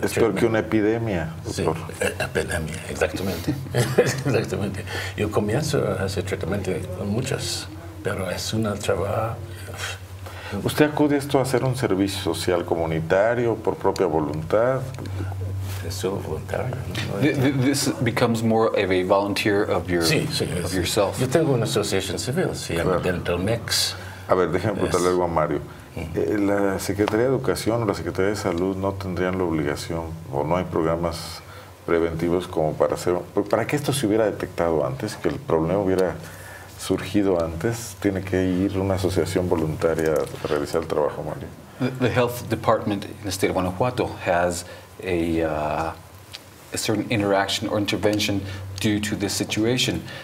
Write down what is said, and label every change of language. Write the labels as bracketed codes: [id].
[es] Es peor que una epidemia, doctor. Sí, epidemia, exactamente. Exactamente. Yo comienzo a hacer tratamiento con muchas, pero es una trabajo. ¿Usted acude esto a hacer un servicio social comunitario por propia voluntad? [en] This becomes more of a volunteer of your [es] sí, sí, [en] of yourself. [es] Yo tengo una asociación civil, se llama claro. Dental Mix. A ver, déjame preguntarle algo a Mario. ¿La Secretaría de Educación o la Secretaría de Salud no tendrían la obligación o no hay programas preventivos como para hacer, para que esto se hubiera detectado antes, que el problema hubiera surgido antes, tiene que ir una asociación voluntaria a realizar el trabajo, Mario? [en] The Health Department in the state of Guanajuato has a certain interaction or intervention due to this situation.